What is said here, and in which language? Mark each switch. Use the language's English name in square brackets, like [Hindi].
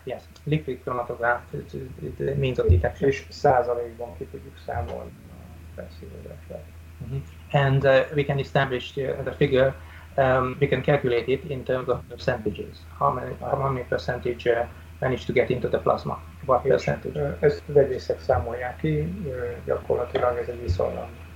[English] Yes, liquid chromatograph is the means of detection. [Hungarian] És százalékban ki tudjuk számolni a felszívódását. [English] Mm-hmm. And we can establish the figure. We can calculate it in terms of percentages. How many percentage managed to get into the plasma? What percentage? [Hungarian] Ezt vegyészek számolják ki. Gyakorlatilag ez egy viszonylag.